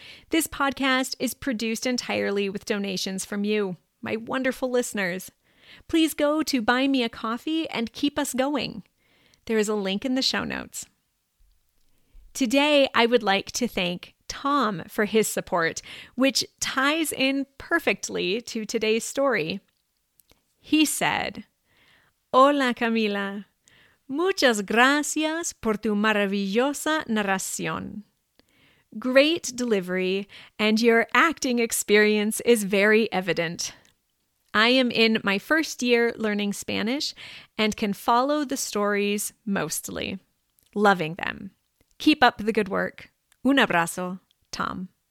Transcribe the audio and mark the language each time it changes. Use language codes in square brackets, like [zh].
[en] This podcast is produced entirely with donations from you, my wonderful listeners. Please go to Buy Me a Coffee and keep us going. There is a link in the show notes. Today, I would like to thank Tom for his support, which ties in perfectly to today's story. He said, [es] "Hola Camila, muchas gracias por tu maravillosa narración. [en] Great delivery and your acting experience is very evident. I am in my first year learning Spanish and can follow the stories mostly. Loving them. Keep up the good work. [es] Un abrazo, [en] Tom."